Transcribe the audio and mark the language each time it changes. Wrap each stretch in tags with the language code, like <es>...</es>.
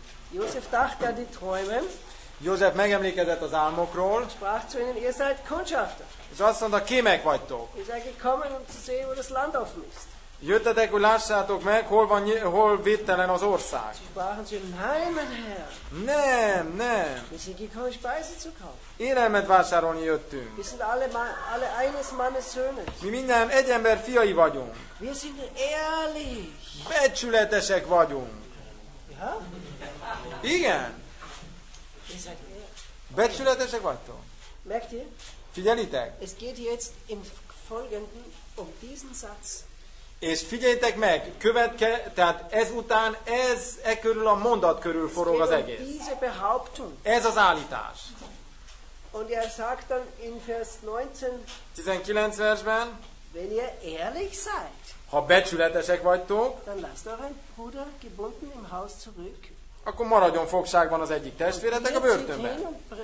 <de>Josef dachte an die Träume.</de> <hu>Josef megemlékezett az álmokról.</hu> <de>Sprach zu ihnen, ihr seid Kundschafter.</de> <hu>És azt mondta, kémek vagytok.</hu> <de>Ihr seid gekommen, um zu sehen, wo das Land offen ist.</de> <hu>Jöttetek, hogy lássátok meg, hol van, hol védtelen az ország.</hu> <de>Sie sprachen zu ihnen, nein, mein Herr.</de> <hu>Nem, nem.</hu> <de>Wir sind gekommen, Speise zu kaufen.</de> <hu>Élelmet vásárolni jöttünk.</hu> <de>Wir sind alle eines Mannes Söhne.</de> <hu>Mi minden egy ember fiai vagyunk.</hu> <de>Wir sind ehrlich.</de> <hu>Becsületesek vagyunk.</hu> <de>Ja?</de> <hu>Igen. Becsületesek vagytok? Megti? Figyelitek?</hu> <de>Es geht jetzt im Folgenden um diesen Satz.</de> <hu>És figyeljetek meg, követke, tehát ezután ez e körül a mondat körül forog az egész.</hu> <de>Diese Behauptung.</de> <hu>Ez az állítás.</hu> <de>Und sagt dann in Vers 19.</de> <hu>19 versben.</hu> <de>Wenn ihr ehrlich seid.</de> <hu>Ha becsületesek vagytok.</hu> <de>Dann lasst euren Bruder gebunden im Haus zurück.</de> <hu>Akkor maradjon fogságban az egyik testvéretek a börtönben.</hu>